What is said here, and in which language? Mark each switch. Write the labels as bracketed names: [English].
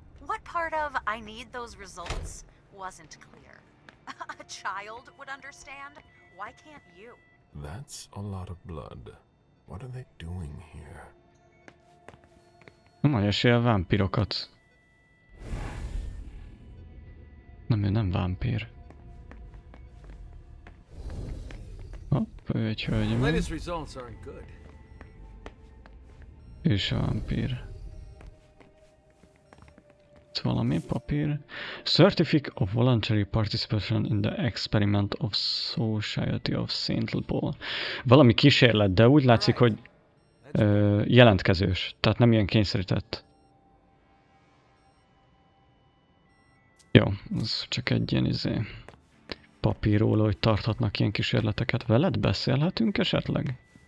[English] What part of I need those results wasn't clear? A child would understand. Why can't you? That's a lot of blood. What are they doing here? [Hungarian] Nagy esélye a vámpirokat. Nem, ő nem vámpir. Hopp, ő egy hölgy. [English] The latest results aren't good. [Hungarian] Ő se vámpir. Valami papír. [English] Certificate of voluntary participation in the experiment of Society of St. Paul. [Hungarian] Valami kísérlet, de úgy látszik, hogy jelentkezős. Tehát nem ilyen kényszerített. Jó, ez csak egy ilyen papírról, hogy tarthatnak ilyen kísérleteket. Veled beszélhetünk esetleg?